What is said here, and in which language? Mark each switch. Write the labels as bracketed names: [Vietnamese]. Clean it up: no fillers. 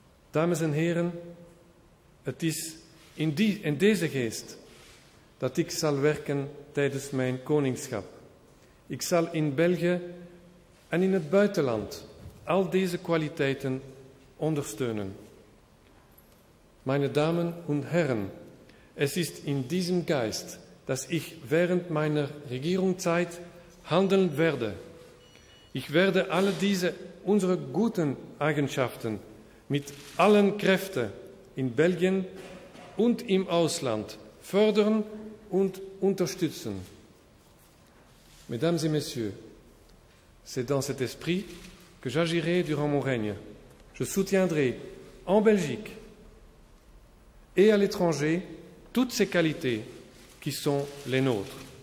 [Dutch] Dames en heren, het is in deze geest dat ik zal werken tijdens mijn koningschap. Ik zal in België en in het buitenland al deze kwaliteiten ondersteunen. [German] Meine Damen und Herren, es ist in diesem Geist, dass ich während meiner Regierungszeit handeln werde. Ich werde alle diese unsere guten Eigenschaften mit allen Kräften in Belgien und im Ausland fördern und unterstützen. [French] Mesdames et Messieurs, c'est dans cet esprit que j'agirai durant mon règne. Je soutiendrai en Belgique et à l'étranger toutes ces qualités qui sont les nôtres.